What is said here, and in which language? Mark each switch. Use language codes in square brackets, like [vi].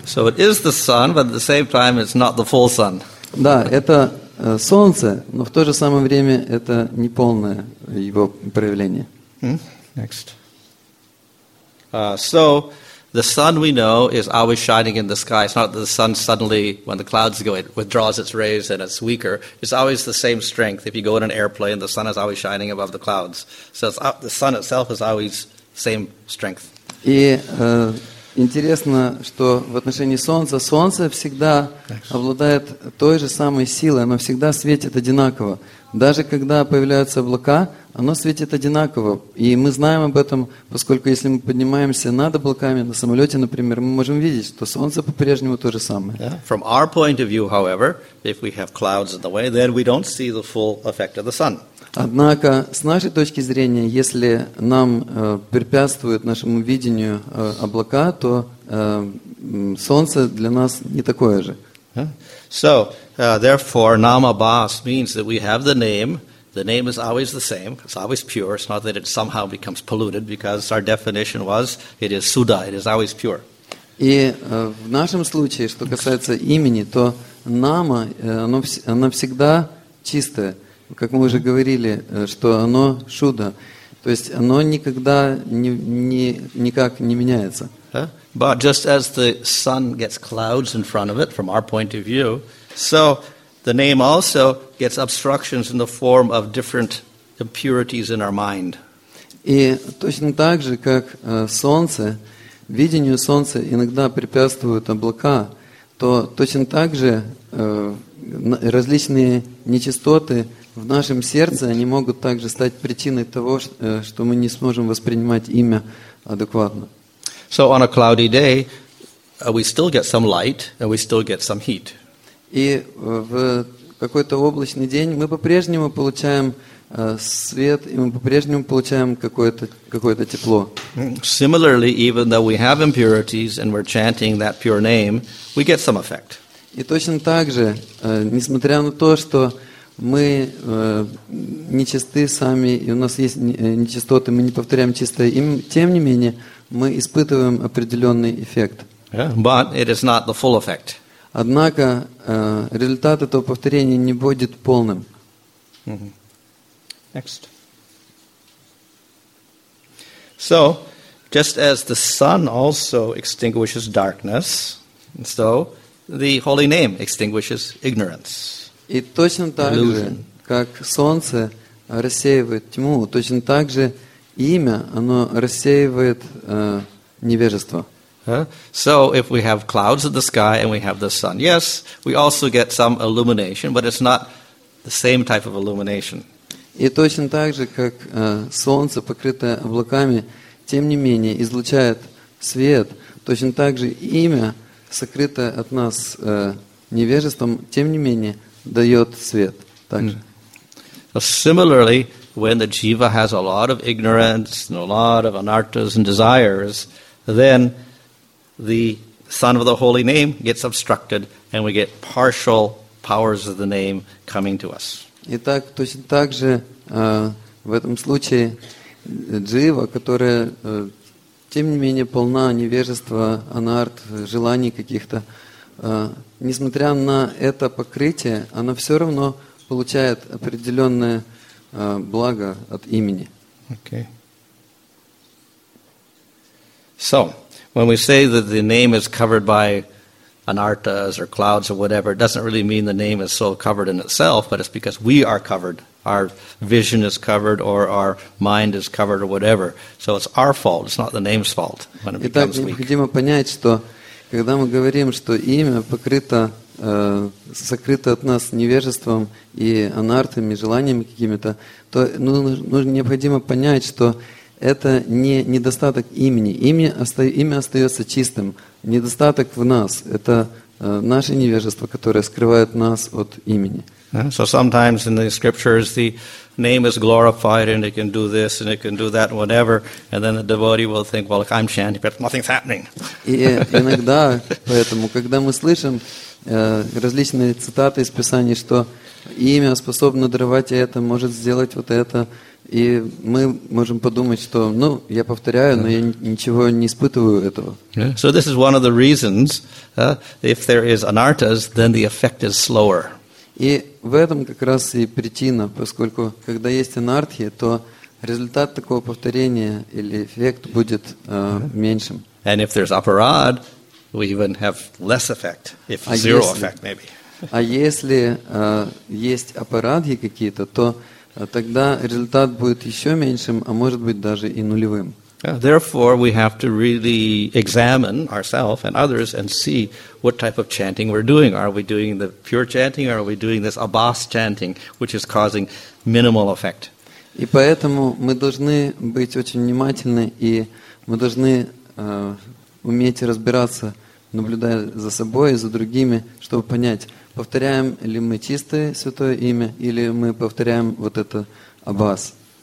[en] So it is the sun, but at the same time it's not the full sun. [ru] Да, это солнце, но в то же самое время это неполное его проявление. [en] Next. So the sun we know is always shining in the sky. It's not the sun suddenly when the clouds go, it withdraws its rays and it's weaker. It's always the same strength. If you go in an airplane, the sun is always shining above the clouds. So it's, the sun itself is always same strength. [ru] И интересно, что в отношении солнца, солнце всегда обладает той же самой силой, оно всегда светит одинаково. Даже когда появляются облака, оно светит одинаково. И мы знаем об этом, поскольку если мы поднимаемся над облаками, на самолете, например, мы можем видеть, что солнце по-прежнему то же самое. [en] From our point of view, however, if we have clouds in the way, then we don't see the full effect of the sun. [ru] Однако, с нашей точки зрения, если нам препятствует нашему видению облака, то солнце для нас не такое же. [en] So, therefore, nam abhas means that we have the name is always the same, it's always pure, it's not that it somehow becomes polluted, because our definition was, it is sudha, it is always pure. [ru] И в нашем случае, что касается имени, то нама, оно всегда чистое. Как мы уже говорили, что оно шуда, то есть оно никогда никак не меняется. [en] But just as the sun gets clouds in front of it, from our point of view, so the name also gets obstructions in the form of different impurities in our mind. [ru] И точно так же, как солнце, видению солнца иногда препятствуют облака, то точно так же различные нечистоты в нашем сердце они могут также стать причиной того, что мы не сможем воспринимать имя адекватно. [en] So on a cloudy day, we still get some light and we still get some heat. [ru] И в какой-то облачный день мы по-прежнему получаем свет и мы по-прежнему получаем какое-то тепло. [en] Similarly, even though we have impurities and we're chanting that pure name, we get some effect. [ru] И точно так же, несмотря на то, что мы нечисты сами, и у нас есть нечистоты, мы не повторяем чистое имя, тем не менее, мы испытываем определенный эффект. [en] But it is not the full effect. [ru] Однако результат этого повторения не будет полным. [en] Mm-hmm. Next. So, just as the sun also extinguishes darkness, so the holy name extinguishes ignorance. [ru] И точно так же, как солнце рассеивает тьму, точно так же имя, оно рассеивает невежество. [en] So if we have clouds in the sky and we have the sun, yes, we also get some illumination, but it's not the same type of illumination. [ru] И точно так же, как солнце, покрытое облаками, тем не менее излучает свет, точно так же имя, сокрытое от нас невежеством, тем не менее дает свет. [en] Similarly, when the jiva has a lot of ignorance and a lot of anarthas and desires, then the sun of the holy name gets obstructed and we get partial powers of the name coming to us. [ru] Итак, точно так же в этом случае джива, которая тем не менее полна невежества, анарт, желаний каких-то, несмотря на это покрытие, она все равно получает определенное благо от имени. [en] Okay. So, when we say that the name is covered by anartas or clouds or whatever, it doesn't really mean the name is so covered in itself, but it's because we are covered. Our vision is covered or our mind is covered or whatever. So it's our fault, it's not the name's fault when it [ru] Итак, [en] becomes weak. [ru] Необходимо понять, что когда мы говорим, что имя покрыто, сокрыто от нас невежеством и анартами, желаниями какими-то, то необходимо понять, что это не недостаток имени. Имя остается чистым. Недостаток в нас – это наше невежество, которое скрывает нас от имени. [en] So sometimes in the scriptures the name is glorified and it can do this and it can do that and whatever, and then the devotee will think, well, I'm chanting, but nothing's happening. [ru] И иногда, поэтому, когда мы слышим различные цитаты из Писаний, что имя способно даровать это, может сделать вот это, и мы можем подумать, что, ну, я повторяю, но я ничего не испытываю этого. [en] Yeah. So this is one of the reasons, if there is anartas, then the effect is slower. [ru] И в этом как раз и причина, поскольку когда есть анартхи, то результат такого повторения или эффект будет меньшим. [en] And if there's aparad, we even have less effect, if zero effect maybe. [ru] А если есть апарадхи какие-то, то тогда результат будет еще меньшим, а может быть даже и нулевым. [en] Therefore, we have to really examine ourselves and others and see what type of chanting we're doing. Are we doing the pure chanting, or are we doing this abhas chanting, which is causing minimal effect? [ru] И поэтому мы должны быть очень внимательны, и мы должны уметь разбираться, наблюдая за собой и за другими, чтобы понять, повторяем ли мы чистое святое имя, или мы повторяем вот это абхас.